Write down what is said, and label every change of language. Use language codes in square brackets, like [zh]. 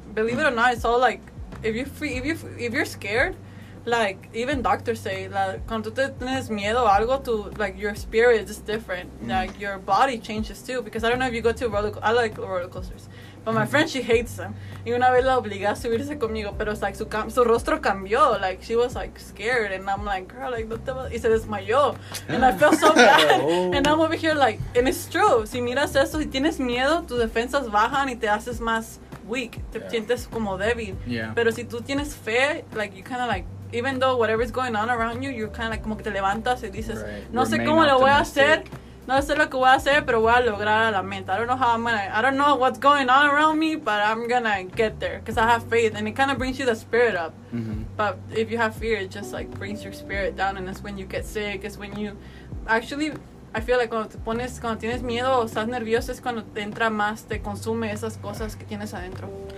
[en] Believe it or not, it's all like, if you're scared, like, even doctors say, like, [es] cuando tú tienes miedo a algo, tú, [en] like, your spirit is different. Like, your body changes too. Because I don't know if you go to I like roller coasters. But my friend, she hates them. [es] Y una vez la obligé a subirse conmigo, pero es like, su rostro cambió. [en] Like, she was, like, scared. And I'm like, girl, like, [es] no te va. Y se desmayó. [en] And I feel so bad. Oh. And I'm over here, like, and it's true. [es] Si miras eso, si tienes miedo, tus defensas bajan y te haces más weak. Te sientes como débil. [en] Yeah. [es] Pero si tú tienes fe, [en] like, you kind of like, even though whatever is going on around you, you're kind of like, [es] como que te levantas y dices, no sé cómo lo voy a hacer. No sé lo que voy a hacer, pero voy a lograr la meta. [en] I don't know how I'm going to, I don't know what's going on around me, but I'm going to get there because I have faith. And it kind of brings you the spirit up. Mm-hmm. But if you have fear, it just like brings your spirit down. And that's when you get sick. It's when you actually, I feel like [es] cuando te pones, cuando tienes miedo o estás nervioso, es cuando te entra más, te consume esas cosas que tienes adentro.